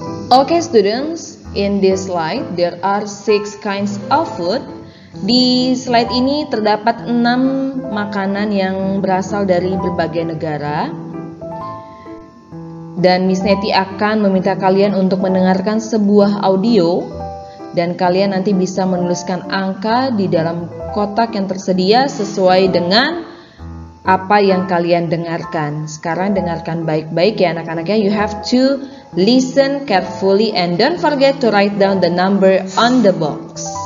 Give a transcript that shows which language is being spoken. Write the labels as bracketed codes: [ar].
[en] Okay, students, in this slide there are 6 kinds of food. [id] Di slide ini terdapat 6 makanan yang berasal dari berbagai negara. Dan Miss Neti akan meminta kalian untuk mendengarkan sebuah audio. Dan kalian nanti bisa menuliskan angka di dalam kotak yang tersedia sesuai dengan apa yang kalian dengarkan. Sekarang dengarkan baik-baik ya anak-anaknya. [en] You have to listen carefully and don't forget to write down the number on the box.